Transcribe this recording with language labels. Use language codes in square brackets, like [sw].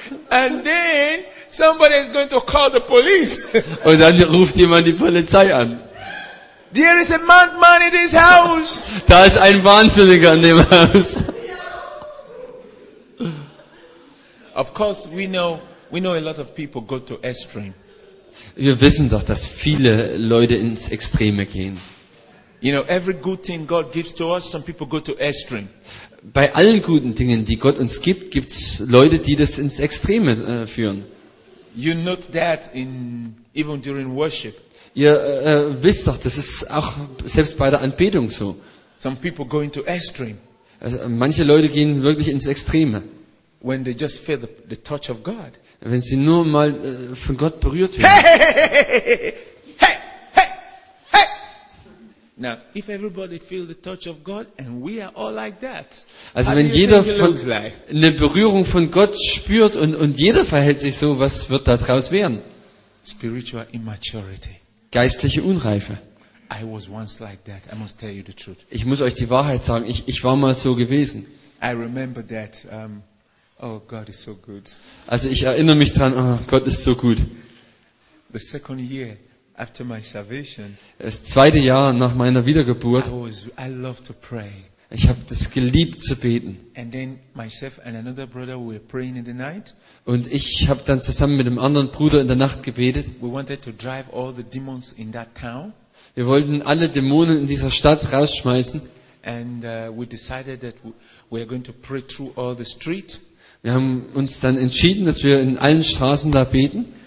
[en] And then somebody is going to call the police. [de] Und dann ruft jemand die Polizei an. [en] There is a madman in this house. [de] Da ist ein Wahnsinniger in dem Haus. [en] Of course, we know a lot of people go to extreme. [de] Wir wissen doch, dass viele Leute ins Extreme gehen. [en] You know, every good thing God gives to us, some people go to extreme. [de] Bei allen guten Dingen, die Gott uns gibt, gibt's Leute, die das ins Extreme führen. [en] You note that in even during worship. [de] Ihr wisst doch, das ist auch selbst bei der Anbetung so. [en] Some people go into extreme. [de] Manche Leute gehen wirklich ins Extreme. [en] When they just feel the touch of God. [de] Wenn sie nur mal von Gott berührt werden. Hey, hey, hey, hey, hey, hey. [en] Now, if everybody feel the touch of God and we are all like that. [de] Also wenn jeder von eine Berührung von Gott spürt und jeder verhält sich so, was wird da draus werden? [en] Spiritual immaturity. [de] Geistliche Unreife. [en] I was once like that. I must tell you the truth. [de] Ich muss euch die Wahrheit sagen, ich war mal so gewesen. [en] I remember that oh, God is so good. [de] Also ich erinnere mich dran, oh, Gott ist so gut. [en] The second year after my salvation, [de] das zweite Jahr nach meiner Wiedergeburt, [en] I love to pray. [de] Ich habe das geliebt zu beten. [en] And then myself and another brother were praying in the night. [de] Und ich habe dann zusammen mit einem anderen Bruder in der Nacht gebetet. [en] We wanted to drive all the demons in that town. [de] Wir wollten alle Dämonen in dieser Stadt rausschmeißen. [en] And we decided that we are going to pray through all the street. [de] Wir haben uns dann entschieden, dass wir in allen Straßen da beten.